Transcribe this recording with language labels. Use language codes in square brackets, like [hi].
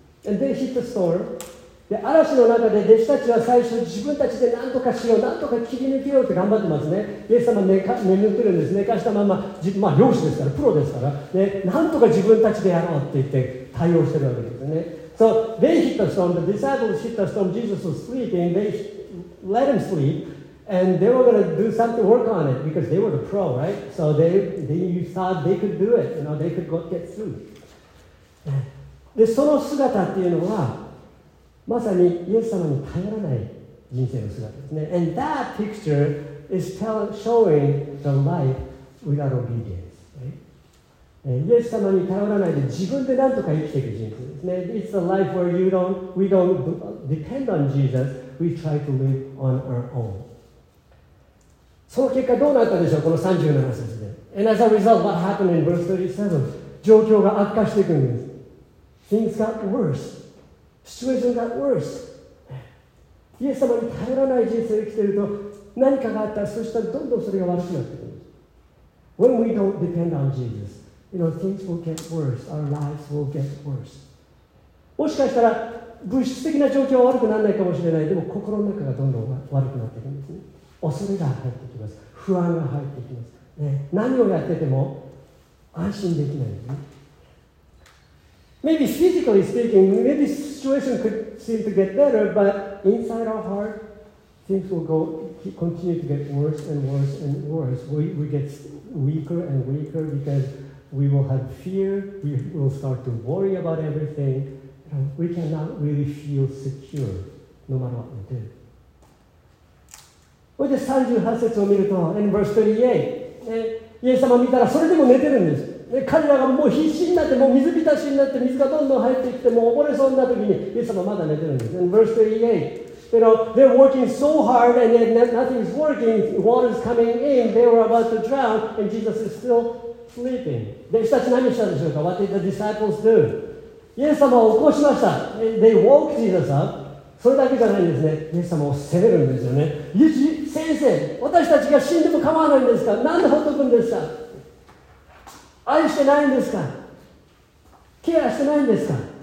[en] And they hit the storm. [ja] で嵐の中で弟子たちは最初自分たちで何とかしよう、何とか切り抜けようって頑張ってますね。イエス様は眠ってるんです。寝かしたまま、まあ漁師ですから、プロですから、で何とか自分たちでやろうって言って対応してるわけですね。 [en] So they hit the storm, the disciples hit the storm, Jesus was sleeping, they let him sleep, and they were going to do something, work on it, because they were the pro, right? So they thought they could do it, you know, they could get through. [ja] で、その姿っていうのは、まさにイエス様に頼らない人生の姿ですね。 [en] And that picture is showing the life without obedience.、Right? [ja] イエス様に頼らないで自分で何とか生きていく人生ですね。 [en] It's a life where we don't depend on Jesus. We try to live on our own. [ja] その結果どうなったでしょう、この37節で。 [en] And as a result, what happened in verse 37? [ja] 状況が悪化していくんです。 [en] Things got worse. Situation got worse. [ja] イエス様に頼らない人生を生きていると何かがあったら、そしたらどんどんそれが悪くなっていく。 [en] When we don't depend on Jesus, you know, things will get worse. Our lives will get worse. [ja] もしかしたら物質的な状況は悪くならないかもしれない。でも心の中がどんどん悪くなっていくんですね。恐れが入ってきます。不安が入ってきます。ね、何をやってても安心できないんですね。 [en] Maybe physically speaking, maybe the situation could seem to get better, but inside our heart, things will continue to get worse and worse and worse. We get weaker and weaker because we will have fear, we will start to worry about everything. We cannot really feel secure, no matter what we do. [ja] そして38節を見ると、 [en] in verse 38, [ja] イエス様を見たらそれでも寝てるんです。彼らがもう必死になって、もう水浸しになって、水がどんどん入ってきて、もう溺れそうな時に、イエス様まだ寝てるんです。 [en] Verse 38, you know, they're working so hard and nothing's working, water's coming in, they were about to drown, and Jesus is still sleeping. [ja] 弟子たち何したんでしょうか? [en] What did the disciples do? [ja] イエス様を起こしました。 [en] They woke Jesus up. [ja] それだけじゃないんですね。イエス様を責めるんですよね。先生、私たちが死んでも構わないんですか?何でほっとくんですか?愛してないんですか?ケアしてないんですか?